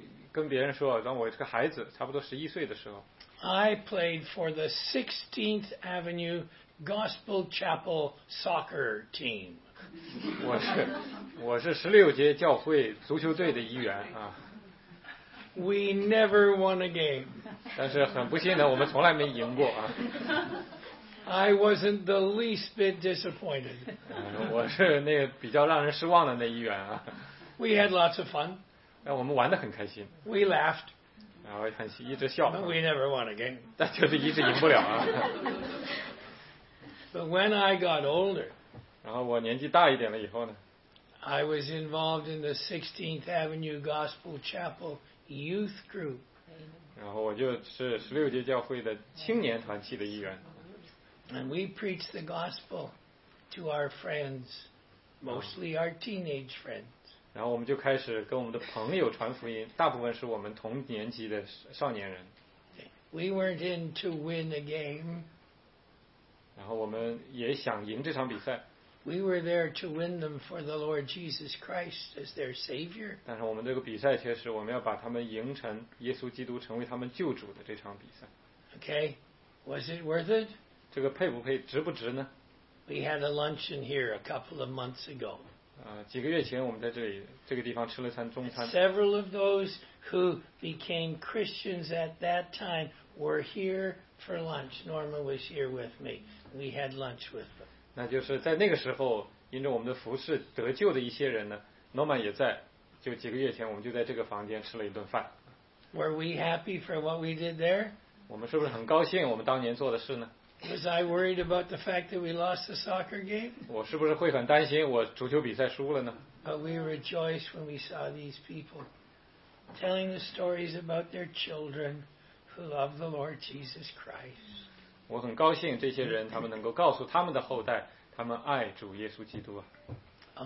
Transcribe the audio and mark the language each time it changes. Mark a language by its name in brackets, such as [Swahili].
[Chinese] 跟别人说，当我这个孩子差不多十一岁的时候 [English] ，I played for the 16th Avenue Gospel Chapel soccer team. [Chinese] 我是十六街教会足球队的一员啊。 [English] We never won a game. [Chinese] 但是很不幸的，我们从来没赢过啊。 [English] I wasn't the least bit disappointed. [Chinese] 我是那个比较让人失望的那一员啊。 [English] We had lots of fun. [Chinese] 我们玩得很开心。 [English] We laughed. [Chinese] 然后很一直笑。 [English] But we never won a game. [Chinese] 但就是一直赢不了啊。 [English] But when I got older, [Chinese] 然后我年纪大一点了以后呢 [English] ，I was involved in the 16th Avenue Gospel Chapel Youth Group. [Chinese] 然后我就是十六街教会的青年团契的一员。 [English] And we preached the gospel to our friends, mostly our teenage friends. [Chinese] 然后我们就开始跟我们的朋友传福音，大部分是我们同年级的少年人。 [English] We weren't in to win a game. [Chinese] 然后我们也想赢这场比赛。 [English] We were there to win them for the Lord Jesus Christ as their Savior. [Chinese] 但是我们这个比赛却是我们要把他们赢成耶稣基督成为他们救主的这场比赛。 [English] Okay, was it worth it? [Chinese] 这个配不配，值不值呢 [English] ？We had a luncheon here a couple of months ago. [Chinese] 几个月前我们在这个地方吃了餐中餐。 [English] Several of those who became Christians at that time were here for lunch. Norma was here with me. We had lunch with them. [Chinese] 那就是在那个时候，因着我们的服事得救的一些人呢 ，Norma 也在。就几个月前，我们就在这个房间吃了一顿饭。 [English] Were we happy for what we did there? [Chinese] 我们是不是很高兴我们当年做的事呢？ [English] Was I worried about the fact that we lost the soccer game? [Chinese] 我是不是会很担心我足球比赛输了呢 [English] ？But we rejoiced when we saw these people telling the stories about their children who love the Lord Jesus Christ. [Chinese] 我很高兴这些人他们能够告诉他们的后代他们爱主耶稣基督啊。